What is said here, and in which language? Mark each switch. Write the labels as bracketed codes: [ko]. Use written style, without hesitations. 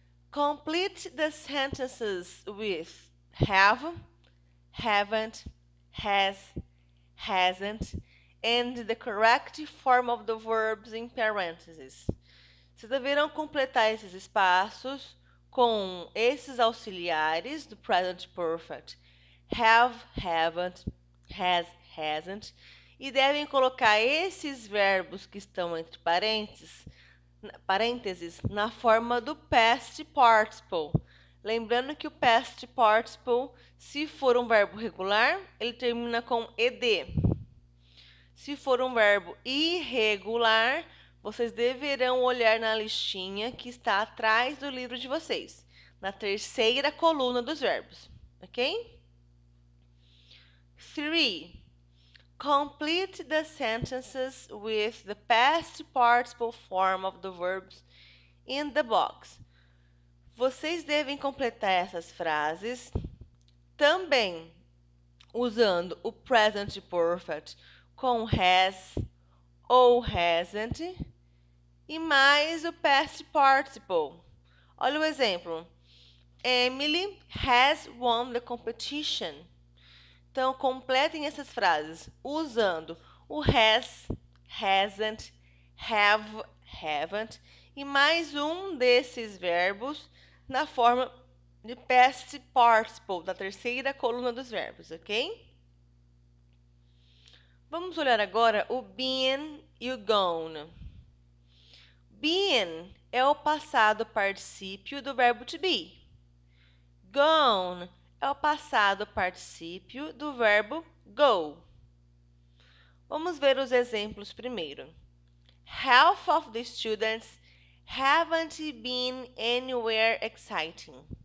[en] Complete the sentences with have, haven't, has, hasn't, and the correct form of the verbs in parentheses. [pt] Vocês deverão completar esses espaços com esses auxiliares do present perfect: have, haven't, has, hasn't, e devem colocar esses verbos que estão entre parênteses na forma do past participle. Lembrando que o past participle, se for um verbo regular, ele termina com ed. Se for um verbo irregular, vocês deverão olhar na listinha que está atrás do livro de vocês, na terceira coluna dos verbos, ok? [en] 3. Complete the sentences with the past participle form of the verbs in the box. [pt] Vocês devem completar essas frases também usando o present perfect com has ou hasn't e mais o past participle. Olha o exemplo. [en] Emily has won the competition. [pt] Então, completem essas frases usando o has, hasn't, have, haven't e mais um desses verbos na forma de past participle, da terceira coluna dos verbos, ok? Vamos olhar agora o been e o gone. Been é o passado particípio do verbo to be. Gone é o passado particípio do verbo go. Vamos ver os exemplos primeiro. [en] Half of the students haven't been anywhere exciting.